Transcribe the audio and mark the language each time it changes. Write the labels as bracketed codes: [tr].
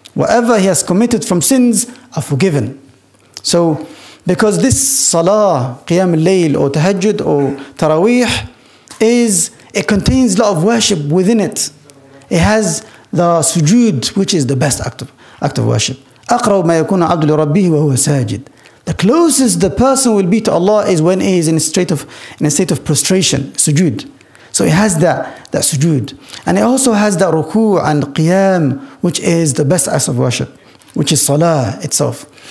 [en] Whatever he has committed from sins are forgiven. So, because this salah, qiyam al-layl, or tahajjud, or taraweeh, it contains a lot of worship within it. It has the sujood, which is the best act of worship. [ar] أقرب ما يكون عبد لربه وهو ساجد. [en] The closest the person will be to Allah is when he is in a state of prostration, sujood. So he has that sujood, and he also has that ruku' and qiyam, which is the best act of worship, which is salah itself.